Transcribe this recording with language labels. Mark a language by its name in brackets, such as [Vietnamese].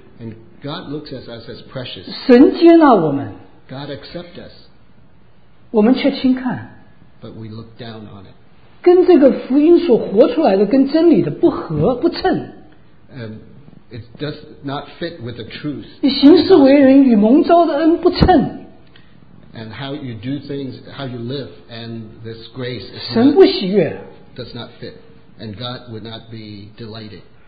[English] And God looks at us as precious. [Chinese] 神接纳我们。 [English] God accepts us. [Chinese] 我们却轻看。 [English] But we look down on it. [Chinese] 跟这个福音所活出来的跟真理的不合不称。 [English] It does not fit with the truth. [Chinese] 你行事为人与蒙召的恩不称。 [English] And how you do things, how you live, and this grace is not, [Chinese] 神不喜悦。 [English] Does not fit, and God would not be delighted.